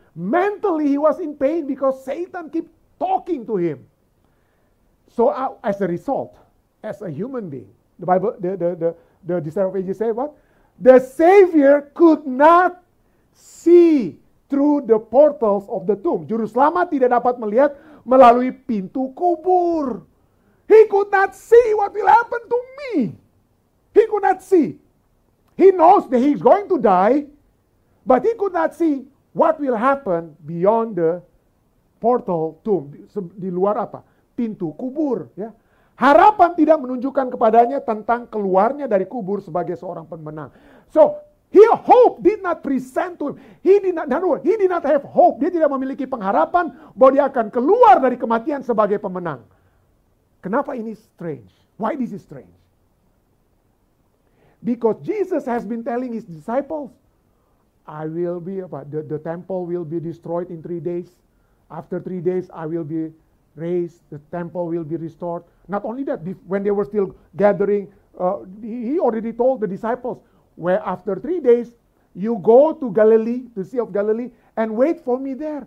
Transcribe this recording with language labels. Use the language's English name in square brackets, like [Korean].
[English] Mentally he was in pain because Satan keep talking to him. So as a result, as a human being, the Bible, the Desire of Ages say what? The Savior could not see through the portals of the tomb. [Indonesian] Juruselamat tidak dapat melihat melalui pintu kubur. [English] He could not see what will happen to me. He could not see. He knows that he's going to die, but he could not see what will happen beyond the portal tomb. [Indonesian] Di luar apa? Pintu kubur. Ya. Harapan tidak menunjukkan kepadanya tentang keluarnya dari kubur sebagai seorang pemenang. [English] So, he hope did not present to him. He did not have hope. [Indonesian] Dia tidak memiliki pengharapan bahwa dia akan keluar dari kematian sebagai pemenang. Kenapa ini [English] strange? Why this is strange? Because Jesus has been telling his disciples, I will be, the temple will be destroyed in 3 days. After 3 days, I will be raised. The temple will be restored. Not only that, when they were still gathering, he already told the disciples, where after 3 days, you go to Galilee, the Sea of Galilee, and wait for me there.